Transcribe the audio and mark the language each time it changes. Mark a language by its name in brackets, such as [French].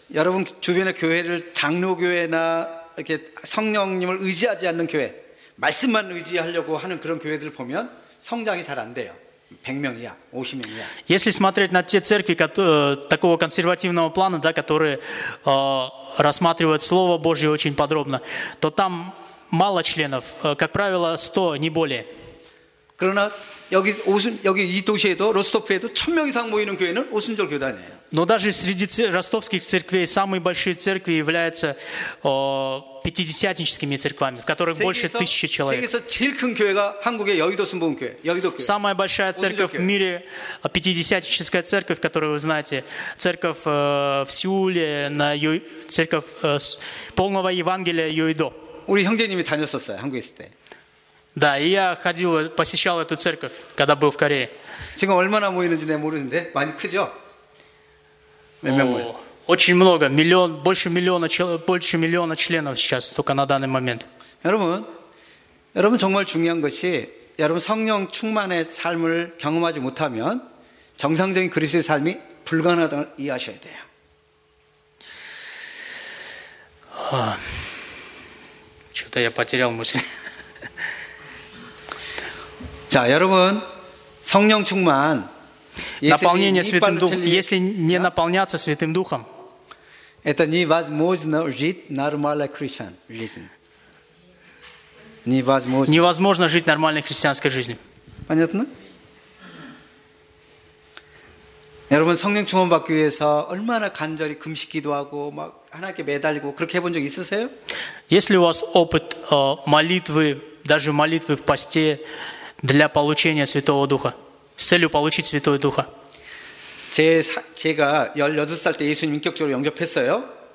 [Korean] 여러분 주변의 교회를 장로교회나 이렇게 성령님을 의지하지 않는 교회, 말씀만 의지하려고 하는 그런 교회들 보면 성장이 잘 안 돼요. 100명이야, 50명이야. [Russian] Если смотреть на те церкви, такого консервативного плана, да, которые рассматривают слово Божье очень подробно, то там мало членов, как правило, 100, не более. [Korean] 그러나 여기 오순 여기 이 도시에도 로스토프에도 1000명 이상 모이는 교회는 오순절 교단이에요. [Russian] Но даже среди ростовских церквей самые большие церкви являются пятидесятническими церквями, в которых больше 1000 человек. [Korean] 세계에서 제일 큰 교회가 한국의 여의도 순복음교회. 여의도 교회. [Russian] Самая большая церковь в мире, пятидесятническая церковь, которую вы знаете, церковь в Сеуле, на церковь полного Евангелия Йойдо. [Korean] 우리 형제님이 다녔었어요, 한국에 있을 때. [Russian] Да, и я ходил, посещал эту церковь, когда был в Корее. [Korean] 지금 얼마나 모이는지 내가 모르는데 많이 크죠? 몇 명 모여? [Russian] Очень много, миллион, больше миллиона членов сейчас только на данный момент. [Korean] 여러분 정말 중요한 것이 여러분 성령 충만의 삶을 경험하지 못하면 정상적인 그리스도의 삶이 불가능하다는 걸 이해하셔야 돼요. [Russian] что-то я потерял мысль. [Korean] 자, 여러분 성령 충만 [Russian] Наполнение Святым Духом, если не наполняться Святым Духом, это невозможно жить нормальной христианской жизнью. Невозможно. Невозможно жить нормальной христианской жизнью. Понятно? [Korean] 여러분 성령 충만 받기 위해서 얼마나 간절히 금식 기도하고 막 하나님께 매달리고 그렇게 해본 적 있으세요? [Russian] Если у вас опыт молитвы, даже молитвы в посте для получения Святого Духа? С целью получить Святого Духа. [Korean] 제가 18살 때 예수님 인격적으로 영접했어요.